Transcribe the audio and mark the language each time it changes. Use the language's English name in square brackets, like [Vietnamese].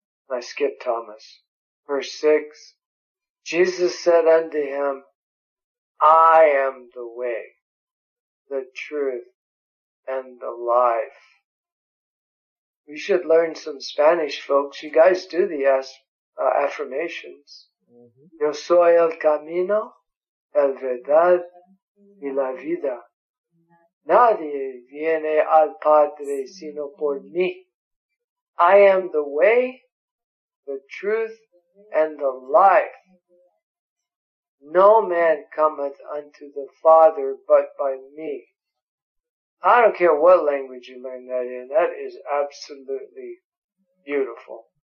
[English] I skip Thomas. Verse 6, Jesus said unto him, I am the way, the truth, and the life. We should learn some Spanish, folks. You guys do the affirmations. Mm-hmm. [Spanish] Yo soy el camino, el verdad, y la vida. Nadie viene al Padre sino por mí. [English] I am the way, the truth, and the life. No man cometh unto the Father but by me. I don't care what language you learn that in. That is absolutely beautiful.